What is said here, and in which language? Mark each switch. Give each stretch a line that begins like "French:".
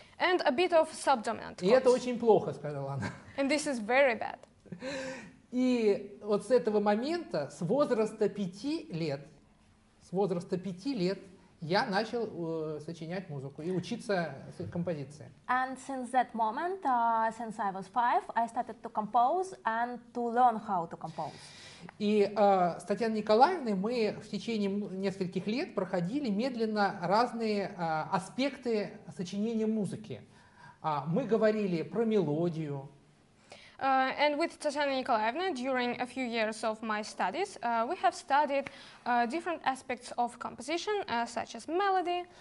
English: And a bit of subdominant.
Russian: И это очень плохо, сказала она.
English: And this is very bad.
Russian: И вот с этого момента, с возраста пяти лет, я начал сочинять музыку и учиться композиции.
English: And since that moment, since I was 5, I started to compose and to learn how to compose.
Russian: И с Татьяной Николаевной мы в течение нескольких лет проходили медленно разные аспекты сочинения музыки. Мы говорили про мелодию.
English: And with Татьяна Николаевна, during a few years of my studies, we have studied different aspects of composition, such as melody.